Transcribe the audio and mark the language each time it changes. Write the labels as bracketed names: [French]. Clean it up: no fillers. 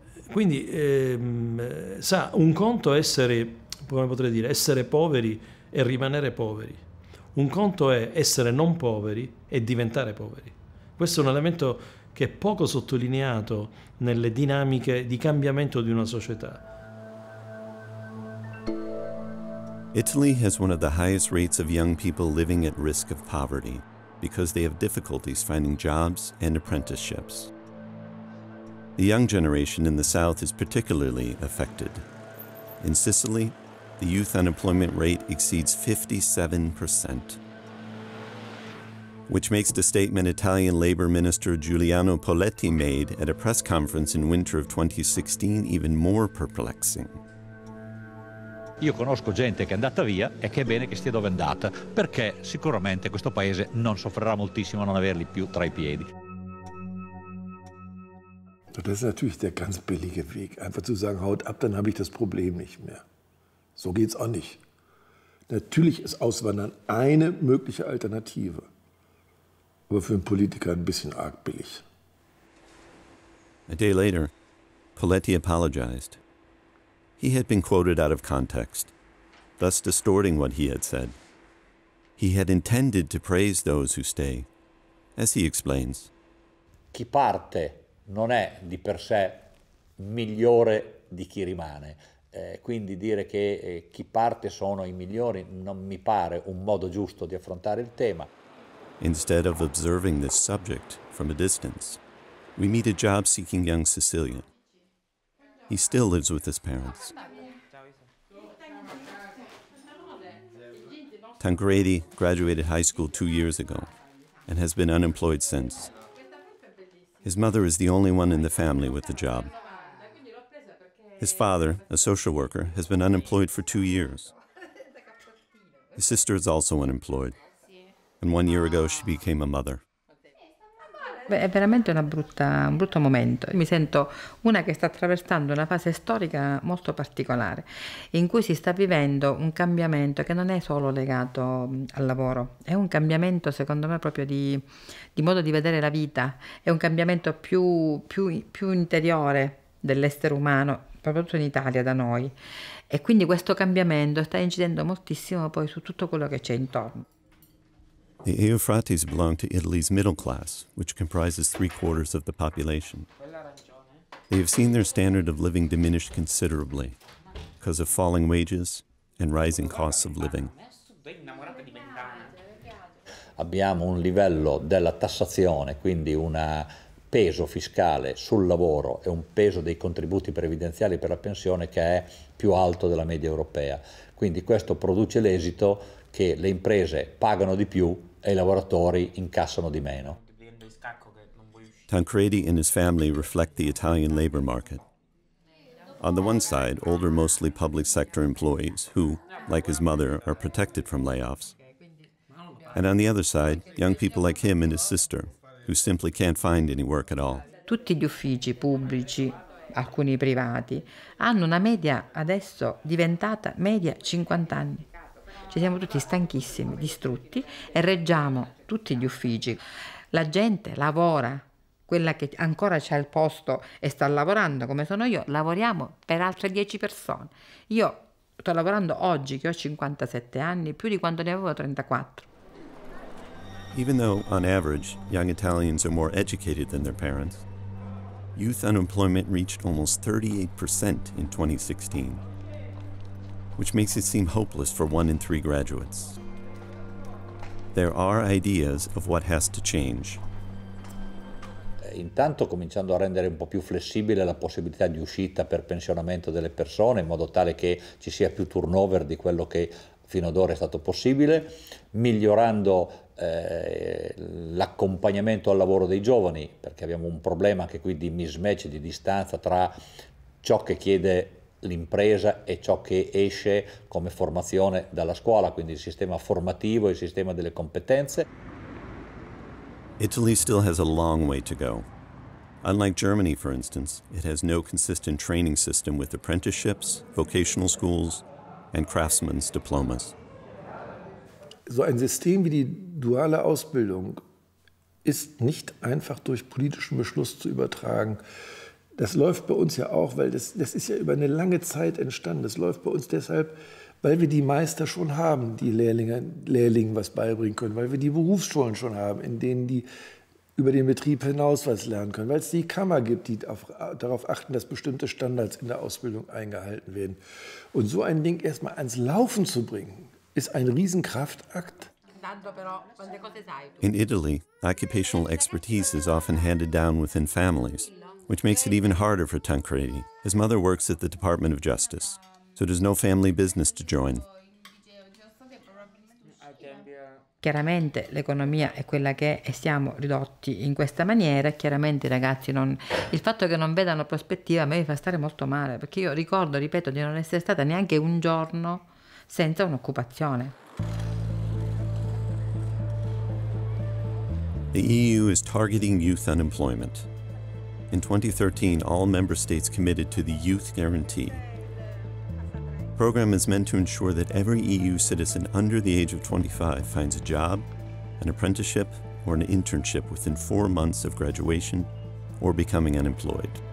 [Italian] Quindi, sa, un conto è essere, come potrei dire, essere poveri e rimanere poveri. Un conto è essere non poveri e diventare poveri. Questo è un elemento che è poco sottolineato nelle dinamiche di cambiamento di una società. [English] Italy has one of the highest rates of young people living at risk of poverty because they have difficulties finding jobs and apprenticeships. The young generation in the South is particularly affected. In Sicily, the youth unemployment rate exceeds 57%, which makes the statement Italian Labor Minister Giuliano Poletti made at a press conference in winter of 2016 even more perplexing. [Italian] Io conosco gente che è andata via e che è bene che stia dove è andata, perché sicuramente questo paese non soffrirà moltissimo a non averli più tra i piedi. [German] Das ist natürlich der ganz billige Weg, einfach zu sagen, haut ab, dann habe ich das Problem nicht mehr. So geht's auch nicht. Natürlich ist Auswandern eine mögliche Alternative, aber für einen Politiker ein bisschen arg billig. [English] A day later, Poletti apologized. He had been quoted out of context, thus distorting what he had said. He had intended to praise those who stay, as he explains. [Italian] Chi parte non è di per sé migliore di chi rimane. Quindi dire che chi parte sono i migliori non mi pare un modo giusto di affrontare il tema. [English] Instead of observing this subject from a distance, we meet a job-seeking young Sicilian. He still lives with his parents. Tancredi graduated high school 2 years ago and has been unemployed since. His mother is the only one in the family with a job. His father, a social worker, has been unemployed for 2 years. His sister is also unemployed. And 1 year ago she became a mother. [Italian] Beh, è veramente un brutto momento. Mi sento una che sta attraversando una fase storica molto particolare, in cui si sta vivendo un cambiamento che non è solo legato al lavoro, è un cambiamento, secondo me, proprio di modo di vedere la vita, è un cambiamento più interiore dell'essere umano, soprattutto in Italia, da noi. E quindi questo cambiamento sta incidendo moltissimo poi su tutto quello che c'è intorno. [English] The Eufratis belong to Italy's middle class, which comprises 3/4 of the population. They have seen their standard of living diminish considerably because of falling wages and rising costs of living. [Italian] Abbiamo un livello della tassazione, quindi un peso fiscale sul lavoro e un peso dei contributi previdenziali per la pensione che è più alto della media europea. Quindi questo produce l'esito che le imprese pagano di più e i lavoratori incassano di meno. [English] Tancredi and his family reflect the Italian labor market. On the one side, older, mostly public sector employees who, like his mother, are protected from layoffs. And on the other side, young people like him and his sister, who simply can't find any work at all. [Italian] Tutti gli uffici pubblici, alcuni privati, hanno una media adesso diventata media 50 anni. Ci siamo tutti stanchissimi, distrutti e reggiamo tutti gli uffici. La gente lavora, quella che ancora c'ha il posto e sta lavorando, come sono io, lavoriamo per altre 10 persone. Io sto lavorando oggi, che ho 57 anni, più di quando ne avevo 34. [English] Even though, on average, young Italians are more educated than their parents, youth unemployment reached almost 38% in 2016. Which makes it seem hopeless for 1 in 3 graduates. There are ideas of what has to change. [Italian] Intanto cominciando a rendere un po' più flessibile la possibilità di uscita per pensionamento delle persone, in modo tale che ci sia più turnover di quello che fino ad ora è stato possibile, migliorando l'accompagnamento al lavoro dei giovani, perché abbiamo un problema anche qui di mismatch, di distanza tra ciò che chiede l'impresa è ciò che esce come formazione dalla scuola, quindi il sistema formativo, il sistema delle competenze. [English] Italy still has a long way to go. Unlike Germany, for instance, it has no consistent training system with apprenticeships, vocational schools, and craftsmen's diplomas. [German] So ein System wie die duale Ausbildung ist nicht einfach durch politischen Beschluss zu übertragen. Das läuft bei uns ja auch, weil das ist ja über eine lange Zeit entstanden. Das läuft bei uns deshalb, weil wir die Meister schon haben, die Lehrlingen was beibringen können, weil wir die Berufsschulen schon haben, in denen die über den Betrieb hinaus was lernen können, weil es die Kammer gibt, die darauf achten, dass bestimmte Standards in der Ausbildung eingehalten werden. Und so ein Ding erstmal ans Laufen zu bringen, ist ein Riesenkraftakt. [English] In Italy, occupational expertise is often handed down within families, which makes it even harder for Tancredi. His mother works at the Department of Justice, so there's no family business to join. [Italian] Chiaramente l'economia è quella che è e siamo ridotti in questa maniera. Chiaramente i ragazzi non. Il fatto che non vedano prospettiva a me mi fa stare molto male, perché io ricordo, ripeto, di non essere stata neanche un giorno senza un'occupazione. [English] The EU is targeting youth unemployment. In 2013, all member states committed to the Youth Guarantee. The program is meant to ensure that every EU citizen under the age of 25 finds a job, an apprenticeship, or an internship within 4 months of graduation or becoming unemployed.